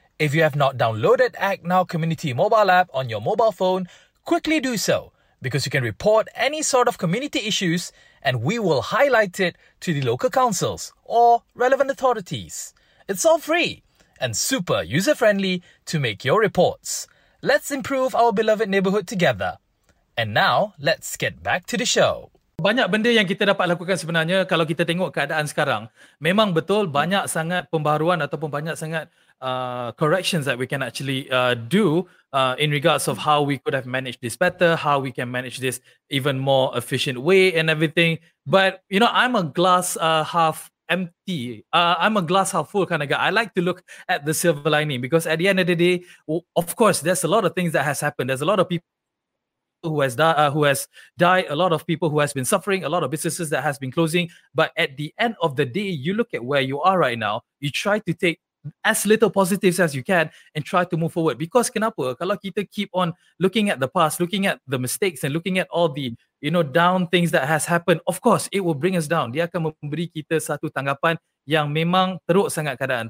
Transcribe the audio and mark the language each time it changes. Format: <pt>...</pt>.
<en>If you have not downloaded Act Now Community mobile app on your mobile phone, quickly do so, because you can report any sort of community issues and we will highlight it to the local councils or relevant authorities. It's all free and super user-friendly to make your reports. Let's improve our beloved neighbourhood together. And now, let's get back to the show.</en> <ms>Banyak benda yang kita dapat lakukan sebenarnya kalau kita tengok keadaan sekarang. Memang betul banyak sangat</ms> <en>pembaharuan ataupun banyak sangat corrections that we can actually do in regards of how we could have managed this better, how we can manage this even more efficient way and everything. But, you know, I'm a glass half empty. I'm a glass half full kind of guy. I like to look at the silver lining, because at the end of the day, well, of course, there's a lot of things that has happened. There's a lot of people who has died, a lot of people who has been suffering, a lot of businesses that has been closing. But at the end of the day, you look at where you are right now, you try to take as little positives as you can and try to move forward. Because</en> <ms>kenapa? Kalau kita</ms> <en>keep on looking at the past, looking at the mistakes and looking at all the, you know, down things that has happened, of course, it will bring us down.</en> <ms>Dia akan memberi kita satu tanggapan yang memang teruk sangat keadaan.</ms>